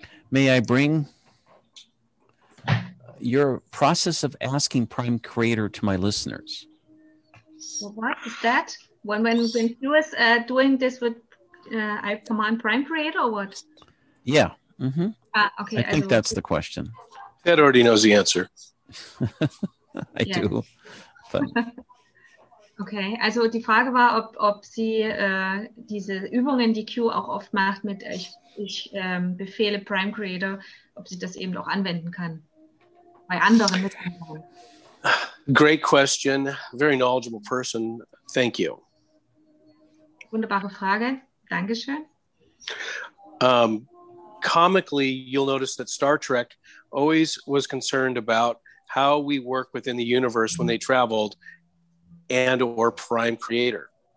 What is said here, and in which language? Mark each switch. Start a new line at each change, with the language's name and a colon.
English: May I bring your process of asking Prime Creator to my listeners? Well, what is that? When you was doing this with I command Prime Creator or what? Yeah. Mm-hmm. Okay. I think that's the question. Ted already knows the answer. I yes. do. But.
German: Okay, also die Frage war, ob sie diese Übungen, die Q auch oft macht, mit ich befehle Prime Creator, ob sie das eben auch anwenden kann bei anderen.
English: Great question. Very knowledgeable person. Thank you.
German: Wunderbare Frage. Dankeschön.
English: Comically, you'll notice that Star Trek always was concerned about how we work within the universe when they traveled and or Prime Creator.